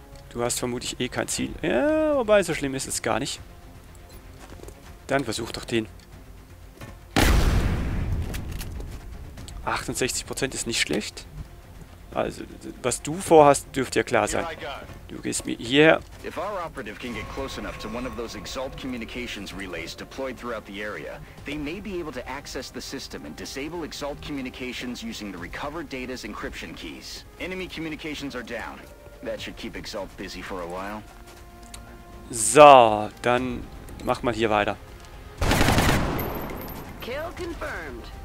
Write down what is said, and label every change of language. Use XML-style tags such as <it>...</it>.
<de>Du hast vermutlich eh kein Ziel. Ja, wobei, so schlimm ist es gar nicht. Dann versuch doch den. 68% ist nicht schlecht. Also, was du vorhast, dürfte ja klar sein. Du gehst mir hierher.</de> <en>If our operative can get close enough to one of those Exalt communications relays deployed throughout the area, they may be able to access the system and disable Exalt communications using the recovered data's encryption keys. Enemy communications are down. That should keep Exalt busy for a while.</en> <de>So, dann mach mal hier weiter.</de> <en>Kill confirmed.</en>